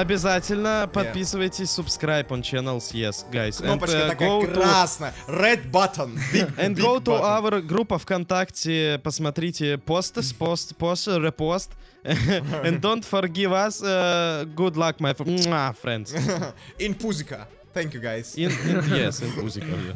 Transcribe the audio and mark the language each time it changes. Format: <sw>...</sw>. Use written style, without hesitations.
<ru>Обязательно подписывайтесь,</ru> <en>subscribe on channels, yes, guys.</en> <ru>Кнопочка and, такая красная,</ru> <en>red button. And go to our группа ВКонтакте,</en> <ru>посмотрите пост, репост.</ru> <en>And don't forgive us, good luck, my friends. In пузика, thank you, guys. In, yes, in пузика.</en>